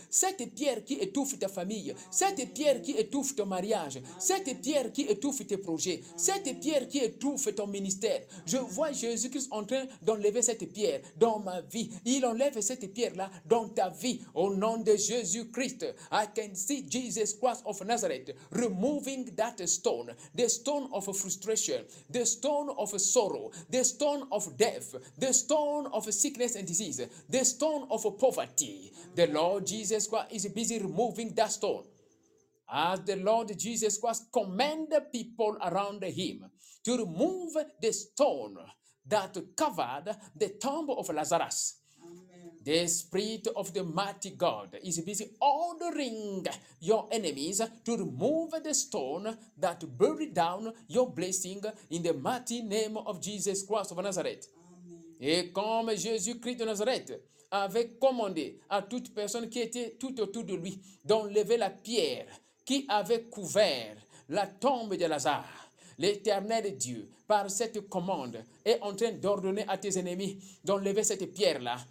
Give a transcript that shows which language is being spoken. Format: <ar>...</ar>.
<fr>Cette pierre qui étouffe ta famille. Cette pierre qui étouffe ton mariage. Cette pierre qui étouffe tes projets. Cette pierre qui étouffe ton ministère. Je vois Jésus-Christ en train d'enlever cette pierre dans ma vie. Il enlève. Lève cette pierre-là dans ta vie au nom de Jésus-Christ.</fr> <en>I can see Jesus Christ of Nazareth removing that stone, the stone of frustration, the stone of sorrow, the stone of death, the stone of sickness and disease, the stone of poverty. The Lord Jesus Christ is busy removing that stone. As the Lord Jesus Christ commanded people around him to remove the stone that covered the tomb of Lazarus. The Spirit of the Mighty God is busy ordering your enemies to remove the stone that buried down your blessing in the mighty name of Jesus Christ of Nazareth. Amen.</en> <fr>Et comme Jésus-Christ de Nazareth avait commandé à toute personne qui était tout autour de lui d'enlever la pierre qui avait couvert la tombe de Lazare, l'éternel Dieu, par cette commande, est en train d'ordonner à tes ennemis d'enlever cette pierre-là.</fr>